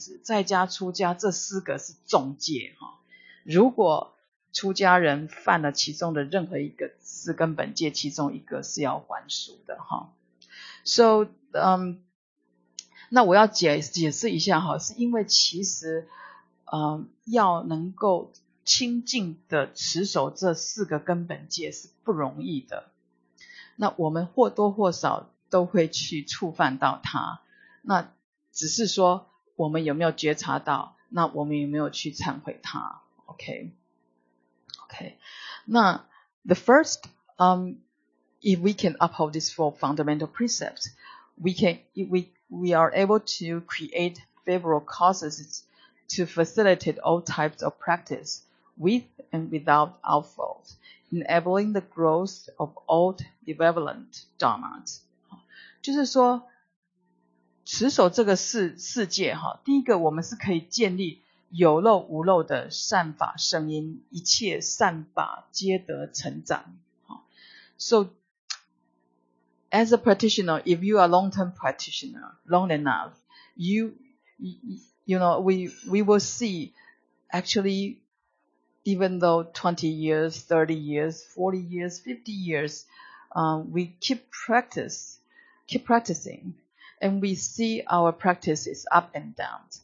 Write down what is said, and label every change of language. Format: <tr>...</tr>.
<zh>那我要大概讲一下说，如果能够善护持这四个根本戒的功德是什么。原因在于说，其实这四个戒，这四个根本戒其实听起来是做人基本的道理，好像一般的人不会去犯这个戒的。但是呢，不管是在家出家，身为的佛弟子，在家出家这四个是重戒。如果出家人犯了其中的任何一个四根本戒，其中一个是要还俗的。So 那我要解释一下，是因为其实要能够清净的持守这四个根本戒是不容易的。那我们或多或少都会去触犯到它。那只是说我们有没有觉察到，那我们有没有去忏悔它。</zh> <en>OK, 那 the first, if we can uphold these four fundamental precepts, we are able to create favorable causes to facilitate all types of practice with and without our fault, enabling the growth of all development dharmas.</en> <zh>就是说持守这个 世界，第一个我们是可以建立有漏无漏的善法声音，一切善法皆得成长。</zh> <en>So as a practitioner, if you are long-term practitioner, long enough, you know, we will see actually even though 20 years, 30 years, 40 years, 50 years, we keep practicing, and we see our practice is up and down.</en>